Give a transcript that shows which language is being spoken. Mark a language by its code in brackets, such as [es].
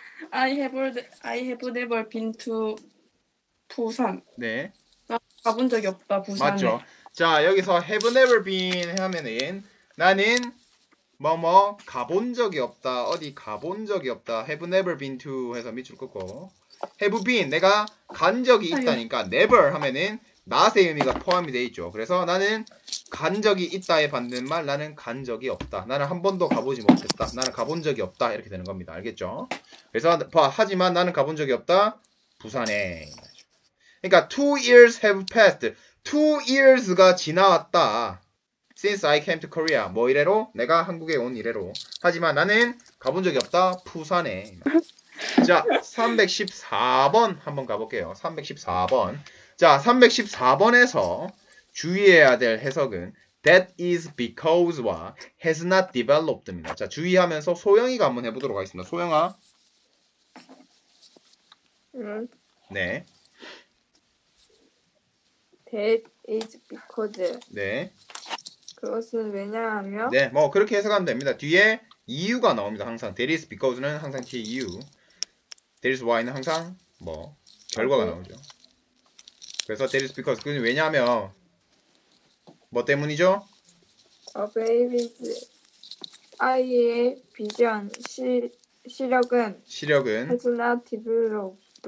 [en] I have never been to 부산. [ko] 네. 나 가본 적이 없다, 부산에. 맞죠. 자, 여기서 have never been 하면은 나는 뭐뭐 가본 적이 없다. 어디 가본 적이 없다. have never been to 해서 밑줄 긋고 have been 내가 간 적이 아유. 있다니까 never 하면은 not의 의미가 포함이 돼 있죠. 그래서 나는 간 적이 있다에 받는 말, 나는 간 적이 없다. 나는 한 번도 가보지 못했다. 나는 가본 적이 없다. 이렇게 되는 겁니다. 알겠죠? 그래서, 봐. 하지만 나는 가본 적이 없다. 부산에. 그러니까, [en] 2 years have passed. 2 years가 [ko] 지나왔다. [en] Since I came to Korea. [ko] 뭐 이래로? 내가 한국에 온 이래로. 하지만 나는 가본 적이 없다. 부산에. 자, 314번 한번 가볼게요. 314번. 자, 314번에서 주의해야 될 해석은 That is because와 has not developed입니다. 자, 주의하면서 소영이가 한번 해보도록 하겠습니다. 소영아. 네. [en] That is because. [ko] 네. 그것은 왜냐하면? 네, 뭐 그렇게 해석하면 됩니다. 뒤에 이유가 나옵니다. 항상 That is because는 항상 뒤에 이유. That is why는 항상 뭐 결과가 나오죠. 그래서 That is because 그건 왜냐하면 뭐 때문이죠? [en] A baby's [ko] 아이의 비전 시력은 [en] has not developed.